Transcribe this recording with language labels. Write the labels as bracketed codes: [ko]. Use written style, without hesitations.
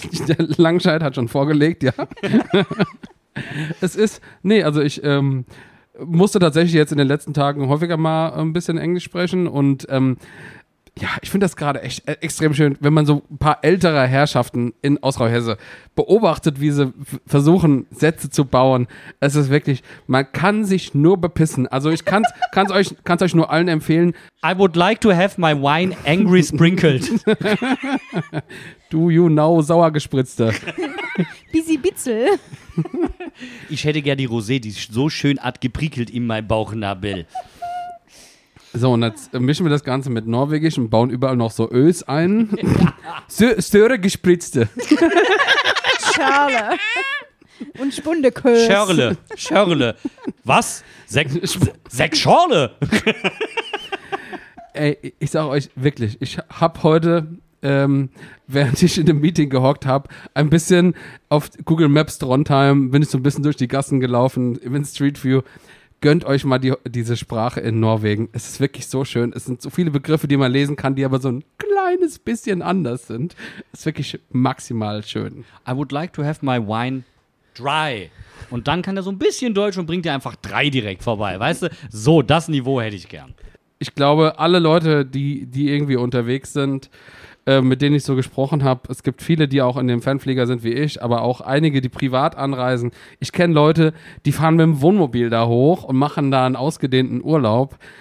[de] Der Langscheid hat schon vorgelegt, ja. Ich musste tatsächlich jetzt in den letzten Tagen häufiger mal ein bisschen Englisch sprechen und Ja, ich finde das gerade echt extrem schön, wenn man so ein paar ältere Herrschaften in Ostrau-Hesse beobachtet, wie sie versuchen, Sätze zu bauen. Es ist wirklich, man kann sich nur bepissen. Also ich kann's euch nur allen empfehlen. [en] I would like to have my wine angry sprinkled. Do you know, Sauergespritzte. Bisi Bitzel. [de] Ich hätte gern die Rosé, die so schön hat geprickelt in mein Bauchnabel. So, und jetzt mischen wir das Ganze mit Norwegisch und bauen überall noch so Ös ein. Störegespritzte. Schörle. Und Spundeköls. Schörle. Was? Sechs Schorle. Ey, ich sag euch wirklich, ich hab heute, während ich in dem Meeting gehockt habe, ein bisschen auf Google Maps Trondheim, bin ich so ein bisschen durch die Gassen gelaufen, in Street View. Gönnt euch mal diese Sprache in Norwegen. Es ist wirklich so schön. Es sind so viele Begriffe, die man lesen kann, die aber so ein kleines bisschen anders sind. Es ist wirklich maximal schön. [en] I would like to have my wine dry. [de] Und dann kann er so ein bisschen Deutsch und bringt dir einfach drei direkt vorbei. Weißt du, so das Niveau hätte ich gern. Ich glaube, alle Leute, die irgendwie unterwegs sind, mit denen ich so gesprochen habe, es gibt viele, die auch in dem Fanflieger sind wie ich, aber auch einige, die privat anreisen. Ich kenne Leute, die fahren mit dem Wohnmobil da hoch und machen da einen ausgedehnten Urlaub.